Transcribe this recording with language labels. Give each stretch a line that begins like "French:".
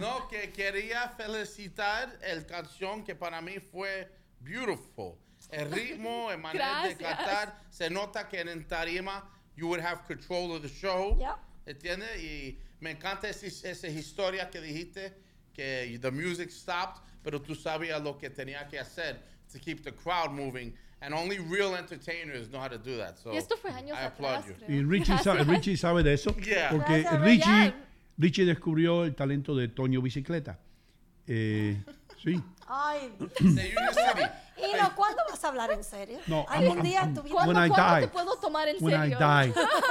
Spanish: No, que quería felicitar el canción que para mí fue beautiful. El ritmo, el manera gracias. De cantar. Se nota que en tarima
English: you would have control of the show. Yeah.
Spanish: ¿Entiendes? Y me encanta esa historia que dijiste, que
English: the music stopped,
Spanish: pero tú sabías lo que tenía que hacer
English: to keep the crowd moving. And only real entertainers know how to do that. So
Spanish: y esto fue años
English: I applaud
Spanish: atrás,
English: you.
Spanish: Y Richie sabe de eso.
English: Yeah.
Spanish: Porque Richie descubrió el talento de Toño Bicicleta. Sí. Ay. Ino, ¿cuándo vas a hablar en serio? No, ¿Cuándo te puedo tomar en
English: when
Spanish: serio?
English: When I die.